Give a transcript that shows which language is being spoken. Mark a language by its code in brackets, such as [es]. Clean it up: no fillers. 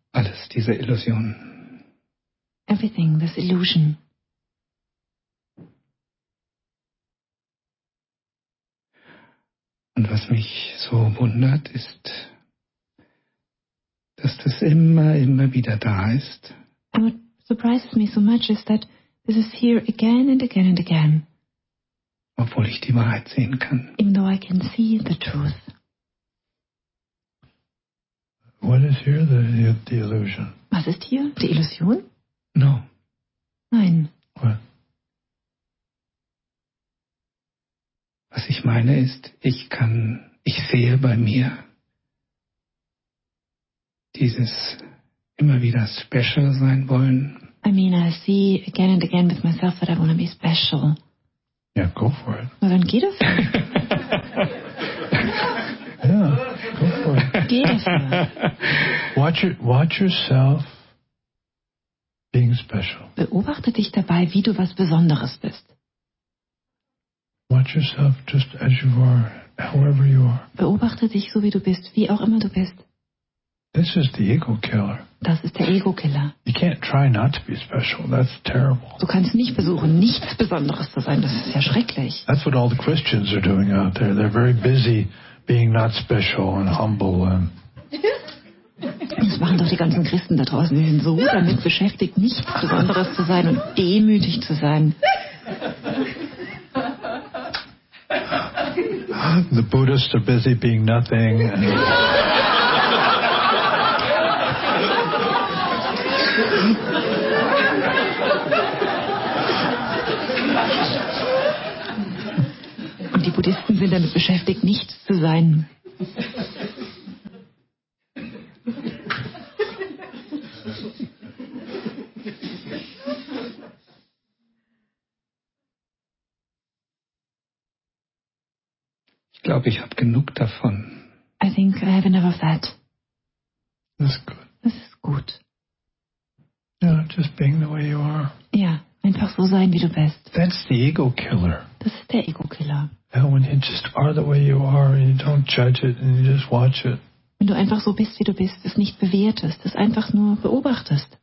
[de] Alles diese Illusion. [en] Everything, this illusion. [de] Und was mich so wundert, ist, dass das immer, immer wieder da ist. [en] And what surprises me so much is that this is here again and again and again. [de] Obwohl ich die Wahrheit sehen kann. [en] Even though I can see the truth. What is here, the illusion? [de] Was ist hier? Die Illusion? [en] No. [de] Nein. [en] What? [de] Was ich meine ist, ich sehe bei mir dieses immer wieder special sein wollen. [en] I mean, I see again and again with myself that I want to be special. Yeah, go for it. [de] Na, dann geh dafür. [en] Yeah, go for it. [de] Geh dafür. [en] Watch yourself being special. [de] Beobachte dich dabei, wie du was Besonderes bist. [en] Watch yourself just as you are, however you are. [de] Beobachte dich so, wie du bist, wie auch immer du bist. [en] This is the ego killer. [de] Das ist der Ego Killer. [en] You can't try not to be special. That's terrible. [de] Du kannst nicht versuchen, nichts Besonderes zu sein. Das ist ja schrecklich. [en] That's what all the Christians are doing out there. They're very busy being not special and humble. And [de] das machen doch die ganzen Christen da draußen. Die sind so damit beschäftigt, nichts Besonderes zu sein und demütig zu sein. [en] The Buddhists are busy being nothing. And [de] und die Buddhisten sind damit beschäftigt, nichts zu sein. Ich glaube, ich habe genug davon. [en] I think I have enough of that. That's good. [de] Das ist gut. [en] Yeah, just being the way you are. [de] Ja, einfach so sein, wie du bist. [en] That's the ego killer. [de] Das ist der Ego-Killer. [en] Yeah, when you just are the way you are and you don't judge it and you just watch it. [de] Wenn du einfach so bist, wie du bist, es nicht bewertest, es einfach nur beobachtest.